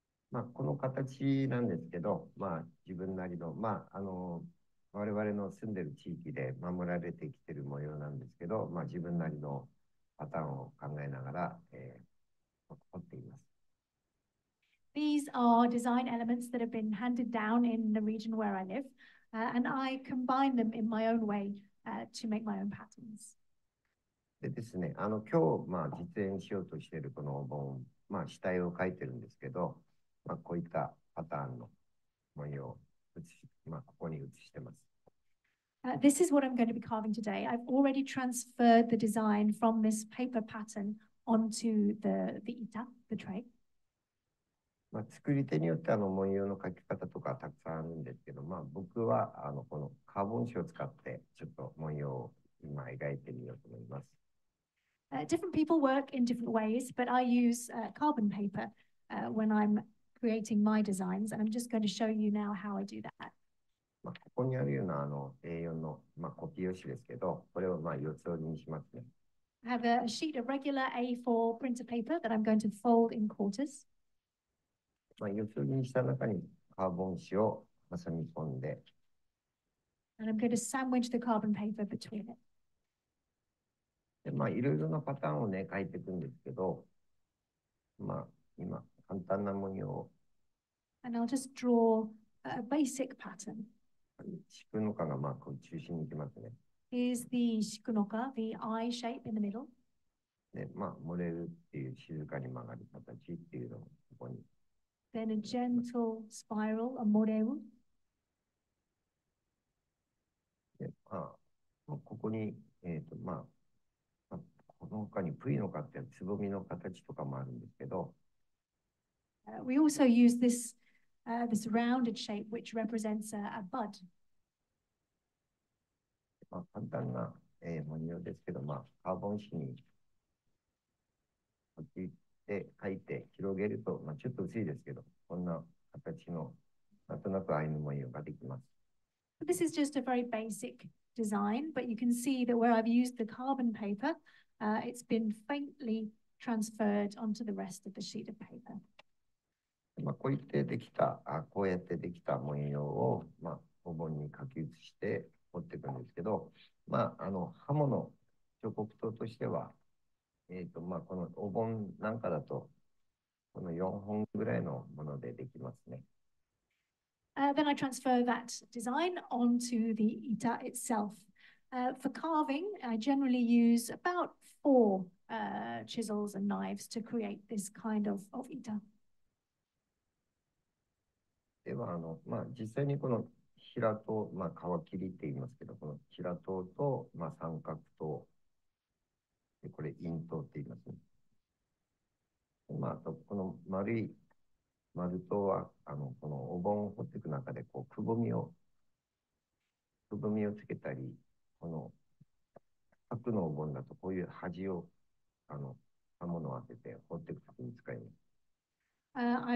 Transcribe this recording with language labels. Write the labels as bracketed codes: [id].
[ja] まあ、この形なんですけど、まあ、自分なりの、まあ、我々の住んでる地域で守られてきている模様なんですけど、まあ、自分なりのパターンを考えながら、彫っています。 [en] These are design elements that have been handed down in the region where I live, and I combine them in my own way, to make my own patterns. [ja] でですね、今日、まあ、実演しようとしているこのお盆、まあ、下絵を描いてるんですけど、まあ、こういったパターンの模様を写し、まあ、ここに写しています。 [en] This is what I'm going to be carving today. I've already transferred the design from this paper pattern onto the ita, the tray. [ja] まあ、作り手によってあの文様の描き方とかたくさんあるんですけど、まあ、僕はあのこのカーボン紙を使ってちょっと文様を今描いてみようと思います。 [en] Different people work in different ways, but I use carbon paper when I'm creating my designs, and I'm just going to show you now how I do that. [ja] まあ、ここにあるようなあの A4 の、まあ、コピー用紙ですけど、これをまあ四つ折りにしますね。 [en] I have a sheet of regular A4 printer paper that I'm going to fold in quarters. [ja] まあ四つ折りにした中にカーボン紙を挟み込んで。 [en] And I'm going to sandwich the carbon paper between it. [ja] で、まあ、いろいろなパターンをね、書いていくんですけど、まあ、今、簡単な文様を。 [en] And I'll just draw a basic pattern. [ja] シクノカがまあこう中心に行きますね。 [en] Is the shikunoka the eye shape in the middle? [ja] で、まあ、漏れるっていう静かに曲がる形っていうのをここに。 [en] Then a gentle spiral, a moreru. [ja] で、まあ、まあ、ここに、まあ、この他にプイノカってつぼみの形とかもあるんですけど。 [en] We also use this. This rounded shape, which represents a bud. [ja] まあ簡単な、文様ですけど、まあカーボン紙に書いて広げると、まあちょっと薄いですけど、こんな形のなんとなくアイヌ文様ができます。 [en] This is just a very basic design, but you can see that where I've used the carbon paper, it's been faintly transferred onto the rest of the sheet of paper. [ja] まあ、こうやってできた、こうやってできた文様を、まあ、お盆に書き写して彫っていくんですけど、まあ、あの刃物、彫刻刀としては、まあ、このお盆なんかだと、この4本ぐらいのものでできますね。 [en] Then I transfer that design onto the ita itself. For carving, I generally use about four chisels and knives to create this kind of ita. [ja] ではあのまあ、実際にこの平刀、まあ、皮切りって言いますけど、この平刀と、まあ、三角刀、でこれ、陰刀って言いますね。まあ、この丸い丸刀は、あのこのお盆を掘っていく中でこう、くぼみをつけたり、この角のお盆だと、こういう端をあの刃物を当てて掘っていくときに使います。